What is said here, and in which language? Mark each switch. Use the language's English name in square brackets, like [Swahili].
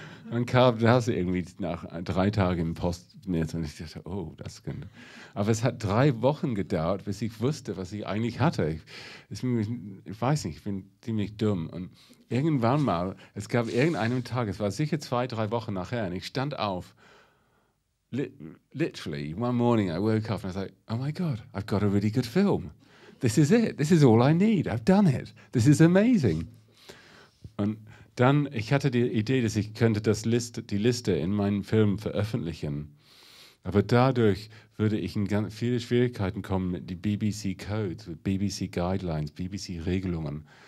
[German] Dann kam das irgendwie nach 3 Tagen im Postnetz und ich dachte, oh, das könnte. Aber es hat 3 Wochen gedauert, bis ich wusste, was ich eigentlich hatte. Ich weiß nicht, ich bin ziemlich dumm. Und irgendwann mal, es gab irgendeinen Tag, es war sicher 2, 3 Wochen nachher, und ich stand auf. [English] Literally, one morning I woke up and I was like, oh my God, I've got a really good film. This is it. This is all I need. I've done it. This is amazing. [German] Und dann, ich hatte die Idee, dass ich könnte die Liste in meinen Film veröffentlichen. Aber dadurch würde ich in ganz viele Schwierigkeiten kommen mit den BBC Codes, mit BBC Guidelines, BBC Regelungen.